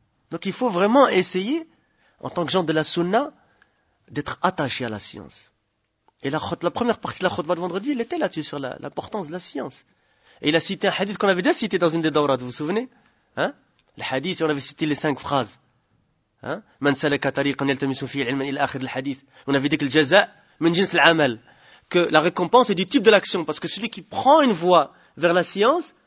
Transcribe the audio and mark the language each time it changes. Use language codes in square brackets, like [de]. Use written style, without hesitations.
[fr] Donc il faut vraiment essayer, en tant que gens de la sunna, d'être attaché à la science. Et la première partie de la khutbah de vendredi, elle était là-dessus, sur l'importance de la science. Et il a cité un hadith qu'on avait déjà cité dans une des dawrats, vous vous souvenez, hein? Le hadith, on avait cité les 5 phrases. [ar] من سلك طريقا يلتمس فيه العلم الى اخر الحديث. [fr] On avait dit que le [ar] jaza min jins al-amal, [fr] que la récompense est du type de l'action, parce que celui qui prend une voie vers la science,